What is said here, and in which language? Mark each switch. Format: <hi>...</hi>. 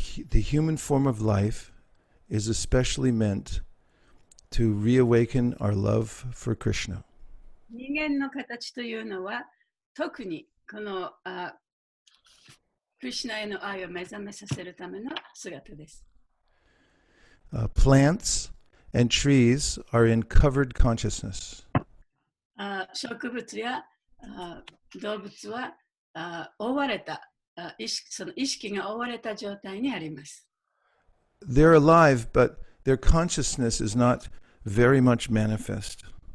<en>The human form of life is especially meant to reawaken our love for Krishna.</en> <ja>人間の形というのは特にこの、クリシュナへの愛を目覚めさせるための姿です。</ja> <en>Plants and trees are in covered consciousness.</en> <ja>植物や動物は覆われた</ja> <en>They're alive, but their consciousness is not very much manifest.</en>